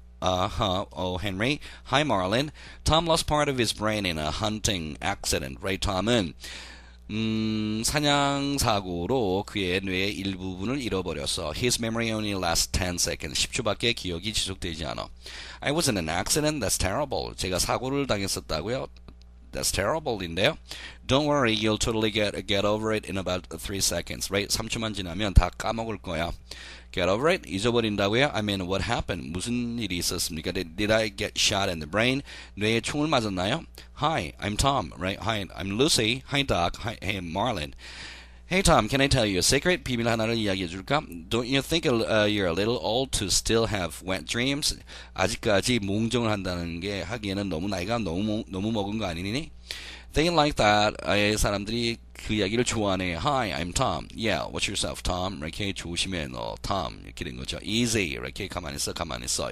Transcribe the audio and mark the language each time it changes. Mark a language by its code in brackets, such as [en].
[en] Oh Henry. Hi Marlin. Tom lost part of his brain in a hunting accident, right? [ko] Tom은 사냥 사고로 그의 뇌의 일부분을 잃어버렸어. [en] His memory only lasts 10 seconds. [ko] 10초밖에 기억이 지속되지 않아. [en] I was in an accident. That's terrible. [ko] 제가 사고를 당했었다고요? [en] That's terrible인데요. Don't worry. You'll totally get over it in about 3 seconds. Right? [ko] 3초만 지나면 다 까먹을 거야. [en] Get over it? [ko] 잊어버린다고요? [en] I mean, what happened? [ko] 무슨 일이 있었습니까? [en] Did I get shot in the brain? [ko] 뇌에 총을 맞았나요? [en] Hi, I'm Tom, right? Hi, I'm Lucy. Hi, Doc. Hi, hey, Marlin. Hey, Tom, can I tell you a secret? [ko] 비밀 하나를 이야기해 줄까? [en] Don't you think you're a little old to still have wet dreams? [ko] 아직까지 몽정을 한다는 게 하기에는 너무 나이가 너무 먹은 거 아니니? [en] They like that. [ko] 사람들이 그 이야기를 좋아하네. [en] Hi, I'm Tom. Yeah, watch yourself, Tom. [ko] 이렇게 조심해, 너, Tom. 이렇게 된 거죠. [en] Easy. [ko] 이렇게 가만히 있어, 가만히 있어.